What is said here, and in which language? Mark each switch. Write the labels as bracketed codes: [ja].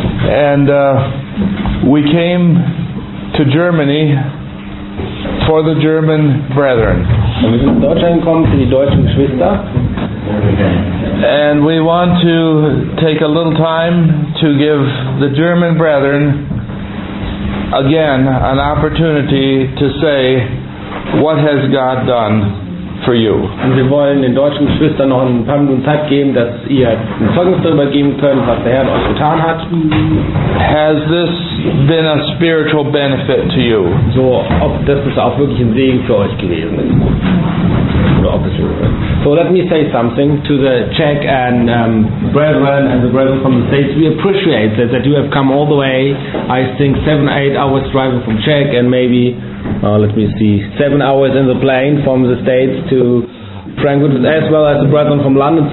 [en] And we came to Germany for the German brethren. [de] Und wir sind in Deutschland gekommen für die deutschen Geschwister. [en] And we want to take a little time to give the German brethren again an opportunity to say, what has God done for you? [de] Und wir wollen den deutschen Geschwistern noch ein paar Minuten Zeit geben, dass ihr ein Zeugnis darüber geben könnt, was der Herr euch getan hat. [en] Has this been a spiritual benefit to you? [de] So, ob das ist auch wirklich ein Segen für euch gewesen ist. [en] So let me say something to the Czech and brethren and the brethren from the States. We appreciate that you have come all the way. I think 7-8 hours driving from Czech and maybe, 7 hours in the plane from the States to Frankfurt, as well as the brethren from London.